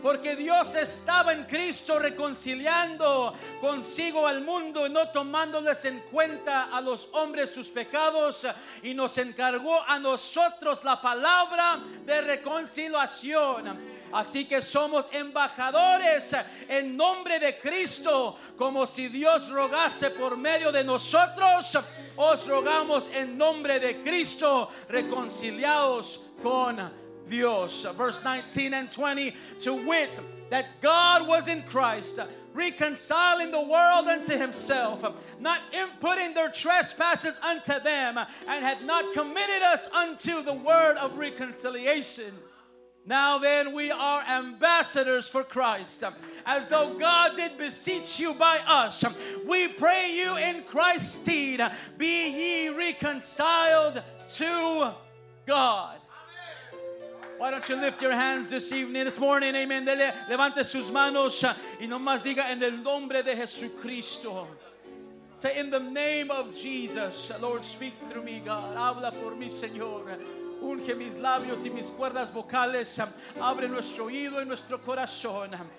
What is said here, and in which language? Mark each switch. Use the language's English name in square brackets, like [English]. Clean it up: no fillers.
[Spanish] Porque Dios estaba en Cristo reconciliando consigo al mundo, no tomándoles en cuenta a los hombres sus pecados, y nos encargó a nosotros la palabra de reconciliación. Así que somos embajadores en nombre de Cristo, como si Dios rogase por medio de nosotros. Os rogamos en nombre de Cristo, reconciliaos con Dios. [English] Verse 19 and 20, to wit, that God was in Christ reconciling the world unto himself, not imputing their trespasses unto them, and had not committed us unto the word of reconciliation. Now then, we are ambassadors for Christ. As though God did beseech you by us, we pray you in Christ's stead, be ye reconciled to God. Why don't you lift your hands this evening, this morning, amen. [Spanish] Levante sus manos y nomás diga en el nombre de Jesucristo. [English] Say, in the name of Jesus, Lord, speak through me, God. [Spanish] Habla por mí, Señor. Unge mis labios y mis cuerdas vocales. Abre nuestro oído y nuestro corazón.